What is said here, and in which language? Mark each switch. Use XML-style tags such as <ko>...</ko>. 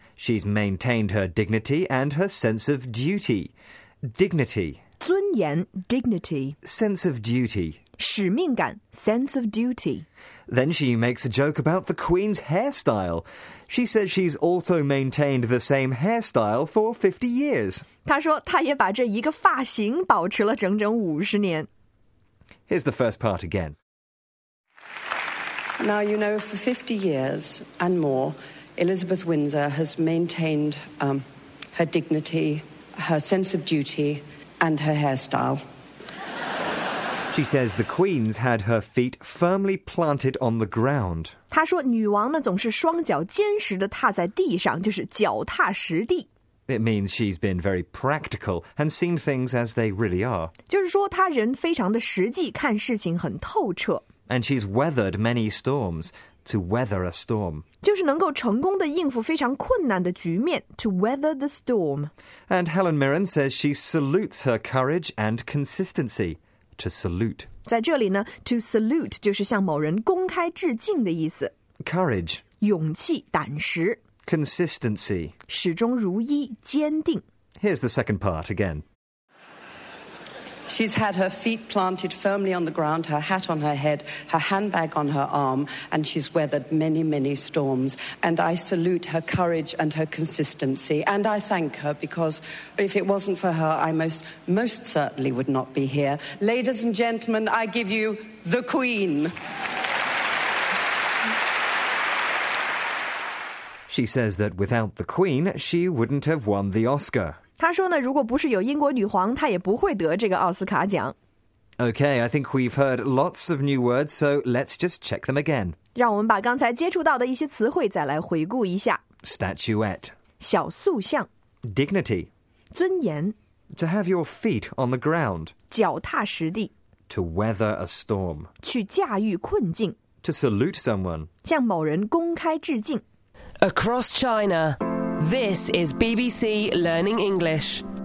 <en>She's maintained her dignity and her sense of duty. Dignity.</en> <zh>尊严 dignity.</zh> <en>Sense of duty.</en> <zh>使命感 sense of duty.</zh> <en>Then she makes a joke about the Queen's hairstyle. She says she's also maintained the same hairstyle for 50 years.</en> <zh>她说她也把这一个发型保持了整整五十年。</zh> <en>Here's the first part again. Now, you know, for 50 years and more... Elizabeth Windsor has maintained, her dignity, her sense of duty, and her hairstyle. She says the Queen's had her feet firmly planted on the ground.</en> <zh>她说女王呢总是双脚坚实地踏在地上，就是脚踏实地。</zh> <en>It means she's been very practical and seen things as they really are.</en> <zh>就是说她人非常的实际，看事情很透彻。</zh> <en>And she's weathered many storms. To weather a storm.</en> <zh>就是能够成功地应付非常困难的局面</zh> <en>To weather the storm. And Helen Mirren says she salutes her courage and consistency. To salute.</en> <zh>在这里呢 to salute 就是向某人公开致敬的意思。</zh> <en>Courage.</en> <zh>勇气、胆识。</zh> <en>Consistency.</en> <zh>始终如一、坚定。</zh> <en>Here's the second part again. She's had her feet planted firmly on the ground, her hat on her head, her handbag on her arm, and she's weathered many, many storms. And I salute her courage and her consistency. And I thank her, because if it wasn't for her, I most certainly would not be here. Ladies and gentlemen, I give you the Queen. She says that without the Queen, she wouldn't have won the Oscar.</en> <zh>他说呢，如果不是有英国女皇，她也不会得这个奥斯卡奖。</zh> <en>Okay, I think we've heard lots of new words, so let's just check them again.</en> <zh>让我们把刚才接触到的一些词汇再来回顾一下。</zh> <en>Statuette.</en> <zh>小塑像。</zh> <en>Dignity.</en> <zh>尊严。</zh> <en>To have your feet on the ground.</en> <zh>脚踏实地。</zh> <en>To weather a storm.</en> <zh>去驾驭困境。</zh> <en>To salute someone.</en> <zh>向某人公开致敬。</zh> <en>Across China. This is BBC Learning English.</en>